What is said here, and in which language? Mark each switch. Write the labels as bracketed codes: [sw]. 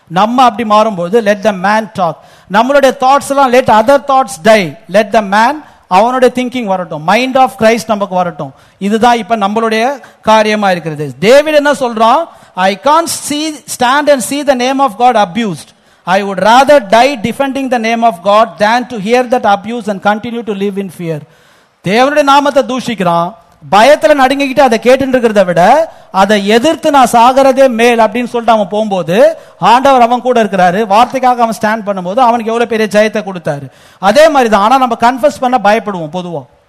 [ta] நம்ம அப்படி மாறும்போது [en] Let the man talk. [ta] நம்மளுடைய தாட்ஸ் எல்லாம் [en] let other thoughts die, let the man, [ta] அவனுடைய திங்கிங் வரட்டும், மைண்ட் ஆஃப் கிரைஸ்ட் நமக்கு வரட்டும். இதுதான் இப்ப நம்மளுடைய காரியமா இருக்கிறது. டேவிட் என்ன சொல்றான், [en] I can't see stand and see the name of God abused. I would rather die defending the name of God than to hear that abuse and continue to live in fear. [ta] தேவனுடைய நாமத்தை தூஷிக்கிறோம், பயத்துல நடுங்கிட்டு அதை கேட்டுக்கிறத விட அதை எதிர்த்து நான் சாகிறதே மேல் அப்படின்னு சொல்லிட்டு அவன் போகும்போது ஆண்டவர் அவன் கூட இருக்கிறாரு. வார்த்தைக்காக அவன் ஸ்டாண்ட் பண்ணும்போது அவனுக்கு எவ்வளவு பெரிய ஜெயத்தை கொடுத்தாரு. அதே மாதிரிதான், ஆனா நம்ம கன்ஃபஸ் பண்ண பயப்படுவோம். பொதுவா